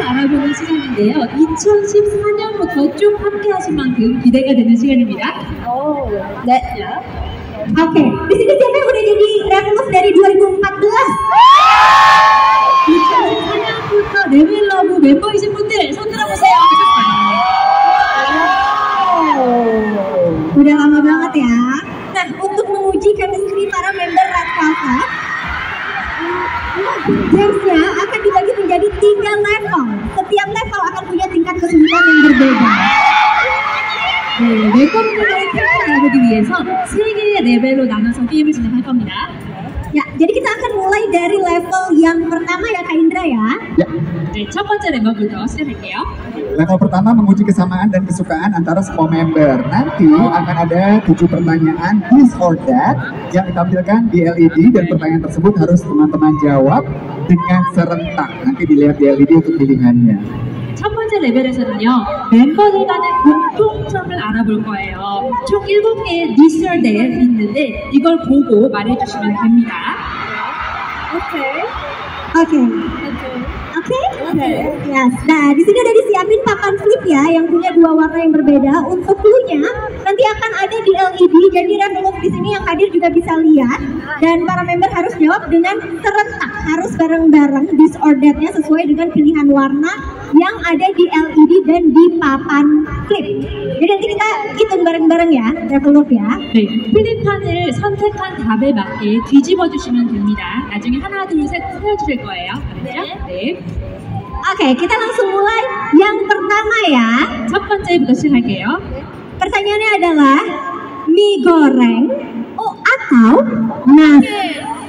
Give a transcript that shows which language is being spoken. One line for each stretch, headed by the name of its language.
Korean: 2014년부터 쭉 함께하신 만큼 기대가 되는 시간입니다. 오, 네. 오케이. 미스터 캠페 우리 여기 랩업 내리 2014. 2014년부터 레벨러브 멤버이신 분들 손 들어보세요.
Indonesian: udah lama banget ya. Nah, untuk menguji chemistry para member Red Velvet, gamesnya akan dibagi menjadi 3 level. Setiap level akan punya tingkat kesulitan yang berbeda.
English: Welcome to the Red Velvet.
Korean: 3개 레벨로 나눠서 게임을 진행할 겁니다.
Indonesian: Ya, jadi kita akan mulai dari level yang pertama ya Kak Indra ya. Ya. Coba aja levelnya siapa ya? Level pertama menguji kesamaan dan kesukaan antara semua member. Nanti akan ada 7 pertanyaan
English: this or that
Indonesian: yang ditampilkan di LED dan pertanyaan tersebut harus teman-teman jawab dengan serentak. Nanti dilihat di LED untuk pilihannya.
Korean: 첫 번째 레벨에서는요, 멤버들 간의 공통점을 알아볼 거예요. 총 7개의
English: this or that
Korean: 있는데 이걸 보고 말해주시면 됩니다. 오케이. 오케이. 오케이? 오케이. 오케이. 네, 디스는
Indonesian: ada disiapin papan flip ya, yang punya 2 warna yang berbeda. Untuk clue-nya nanti akan ada di LED, jadi Rambung di sini yang hadir juga bisa lihat. Dan para member harus jawab dengan serentak, harus bareng-bareng this or that-nya sesuai dengan pilihan warna yang ada di LED dan di papan flip. Jadi nanti kita hitung bareng-bareng ya, develop ya.
Korean: 네, 필립판을 선택한 답에 맞게 뒤집어주시면 됩니다. 나중에 하나, 둘, 셋 틀어주실 거예요. 알았죠? 네. 오케이, 그럼
Indonesian: langsung mulai yang pertama ya.
Korean: 첫 번째부터 시작할게요.
Indonesian: Pertanyaannya adalah mie goreng atau nasi.